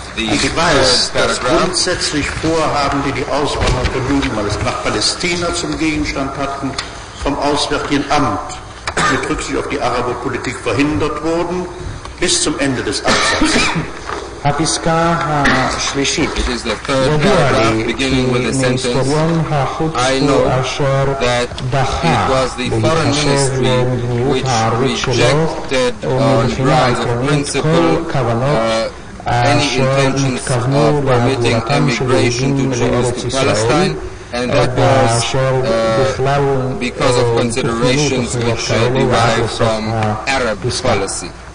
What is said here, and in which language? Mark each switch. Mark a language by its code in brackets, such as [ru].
[de] Ich weiß, dass grundsätzlich Vorhaben, die die Auswanderung der Juden, weil es nach Palästina zum Gegenstand hatten, vom Auswärtigen Amt mit Rücksicht auf die Araberpolitik verhindert wurden, bis zum Ende des Absatzes. [he] הפסקה השלישית, ידוע לי מהיסטוריון החוץ הוא אשר דחה בהתחשב למדיניות הערבית שלו ומבחינה עקרונית כל כוונות אשר התכוונו להגירתם של יהודים לארץ ישראל [en] and that was because of considerations which derived from Arab policy.